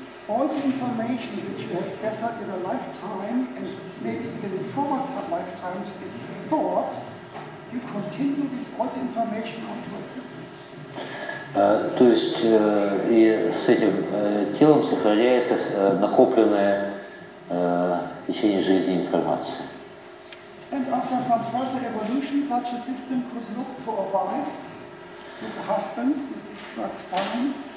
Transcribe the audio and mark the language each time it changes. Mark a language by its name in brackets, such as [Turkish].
[English] All the information which you have gathered in a lifetime, and maybe even in former lifetimes, is stored. You continue with all the information of your existence. [Russian] То есть и с этим телом сохраняется накопленная в течение жизни информация. [English] And after some further evolution, such a system could look for a wife, his husband, if it works fine.